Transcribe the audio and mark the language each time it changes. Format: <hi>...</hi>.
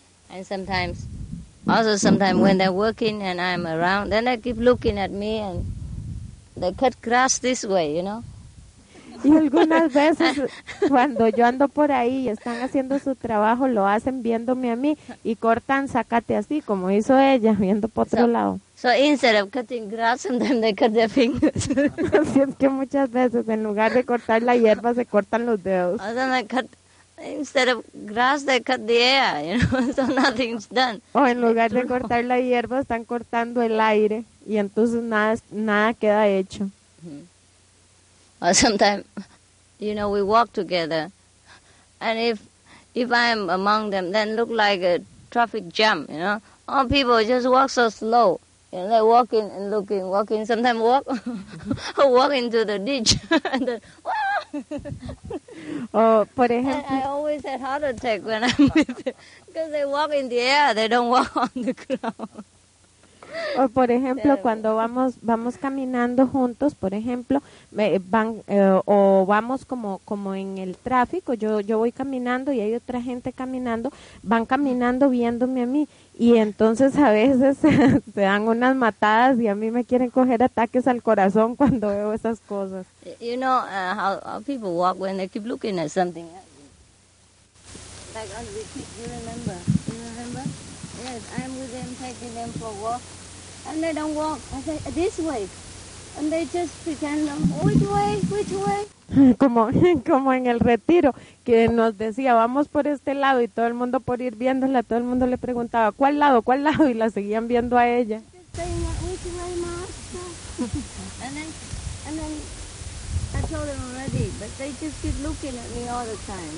<en>And sometimes when they're working and I'm around, then they keep looking at me and they cut grass this way, you know.</en> <es>Y algunas veces cuando yo ando por ahí y están haciendo su trabajo, lo hacen viéndome a mí y cortan zacate así como hizo ella, viendo por otro lado.</es> <en>So instead of cutting grass, sometimes they cut their fingers.</en> <es>Así es que muchas veces, en lugar de cortar la hierba, se cortan los dedos.</es> <en>Or then instead of grass, they cut the air, you know, so nothing's done.</en> <es>O en lugar de cortar la hierba, están cortando el aire, y entonces nada queda hecho.</es> <en>Mm-hmm. Or sometimes, you know, we walk together, and if I'm among them, then look like a traffic jam, you know. All people just walk so slow. And they're walking and looking, walking, sometimes walk, walk into the ditch, and then,</en> <es>oh, por ejemplo,</es> <en>I always had heart attack when I'm with them, because they walk in the air, they don't walk on the ground.</en> <es>O por ejemplo, cuando vamos caminando juntos, por ejemplo, o vamos como en el tráfico, yo voy caminando y hay otra gente caminando, van caminando viéndome a mí y entonces a veces se dan unas matadas y a mí me quieren coger ataques al corazón cuando veo esas cosas.</es> <en>You know how people walk when they keep looking at something. Like on the street, you remember? Yes, I'm with them taking them for a walk. And they don't walk. I say, this way. And they just pretend, which way?</en> <es>Como en el retiro, que nos decía, vamos por este lado, y todo el mundo por ir viéndola, todo el mundo le preguntaba, ¿cuál lado? Y la seguían viendo a ella.</es> <en>Just saying, which way, master? And then, I told them already, but they just keep looking at me all the time.</en>